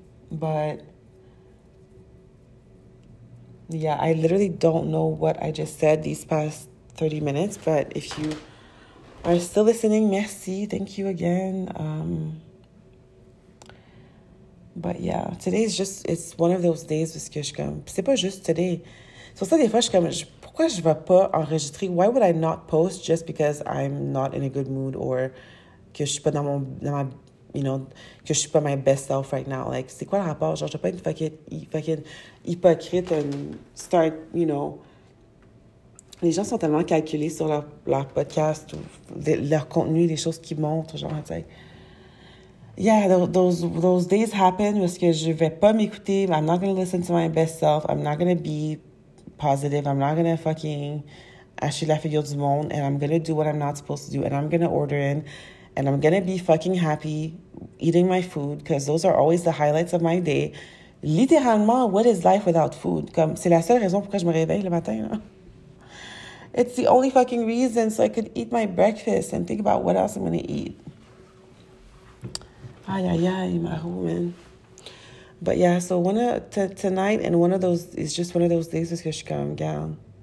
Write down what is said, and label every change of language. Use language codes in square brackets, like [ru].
[en] But, yeah, I literally don't know what I just said these past 30 minutes. But if you are still listening, merci. Thank you again. But, yeah, today is just, it's one of those days with Kishkam. [fr] C'est pas juste today. So ça, des fois, je suis comme, pourquoi je vais pas enregistrer? [en] Why would I not post just because I'm not in a good mood or [fr] que je suis pas dans ma, [en] you know, [fr] que je suis pas [en] my best self right now? Like, [fr] c'est quoi le rapport? Genre, je vais pas être fucking hypocrite [en] and start, you know. [fr] Les gens sont tellement calculés sur leur podcast ou leur contenu, les choses qu'ils montrent, genre, tu sais. [en] Yeah, those days happen [fr] parce que je vais pas m'écouter. [en] I'm not gonna listen to my best self. I'm not gonna be... positive. I'm not gonna fucking [fr] acheter la figure du monde, [en] and I'm gonna do what I'm not supposed to do, and I'm gonna order in, and I'm gonna be fucking happy eating my food, because those are always the highlights of my day. [fr] Littéralement, [en] what is life without food? [fr] Comme, c'est la seule raison pourquoi je me réveille le matin, là. [en] It's the only fucking reason so I could eat my breakfast and think about what else I'm gonna eat. [fr] Aïe, aïe, aïe, ma roue, [en] man. But yeah, so tonight and one of those is just one of those days where I'm like, girl,